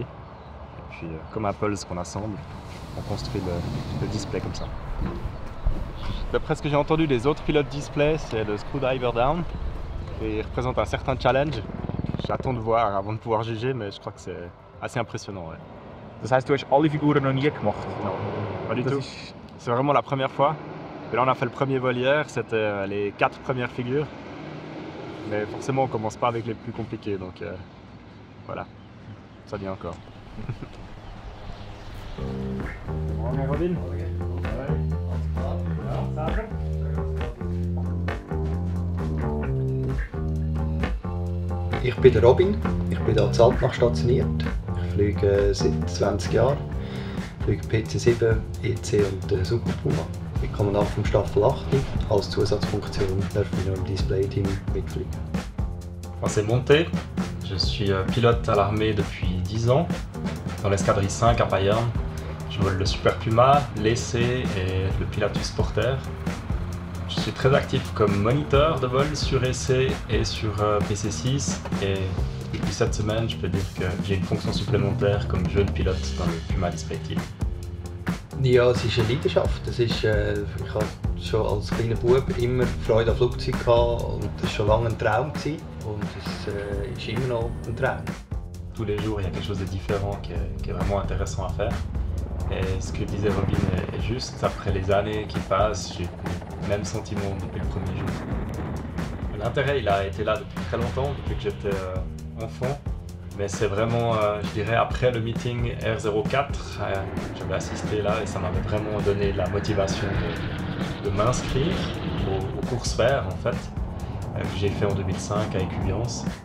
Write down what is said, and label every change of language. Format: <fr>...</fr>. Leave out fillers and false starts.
<fr>Et puis, comme un puzzle qu'on assemble, on construit le display comme ça. D'après ce que j'ai entendu des autres pilotes display, c'est le screwdriver down. Et il représente un certain challenge. J'attends de voir avant de pouvoir juger, mais je crois que c'est assez impressionnant. Ouais.</fr> <de>Das heißt, du hast alle Figuren noch nie gemacht?</de> <fr>Non, pas du tout. C'est vraiment la première fois. Et là, on a fait le premier vol hier, c'était les 4 premières figures. Mais forcément, on commence pas avec les plus compliquées, donc voilà. Ça vient encore. Robin.</fr> <de>Ich bin Robin, ich bin hier in Zaltbach stationiert. Ich fliege seit 20 Jahren. Ich fliege PC-7, EC und Super Puma. Ich komme nach dem Staffel 8 als Zusatzfunktion darf ich noch im Display-Team mitfliegen.</de> <fr>Moi, c'est Monte. Je suis pilote à l'armée depuis 10 ans, dans l'escadrille 5 à Bayern. Je vole le Super Puma, l'EC et le Pilatus Porter. Je suis très actif comme moniteur de vol sur EC et sur PC6 et depuis cette semaine, je peux dire que j'ai une fonction supplémentaire comme jeune pilote dans le Puma Display Team.</fr> <de>Ja, es ist eine Leidenschaft. Ich habe schon als kleiner Bub immer Freude an Flugzeug gehabt und das ist schon lange ein Traum gewesen und es ist immer noch ein Traum.</de> <fr>Tous les jours, il y a quelque chose de différent qui est vraiment intéressant à faire. Et ce que disait Robin est juste, après les années qui passent, j'ai le même sentiment depuis le premier jour. L'intérêt, il a été là depuis très longtemps, depuis que j'étais enfant. Mais c'est vraiment, je dirais, après le meeting R04, j'avais assisté là et ça m'avait vraiment donné la motivation de m'inscrire au cours sphair, en fait, que j'ai fait en 2005 avec Ubiance.</fr>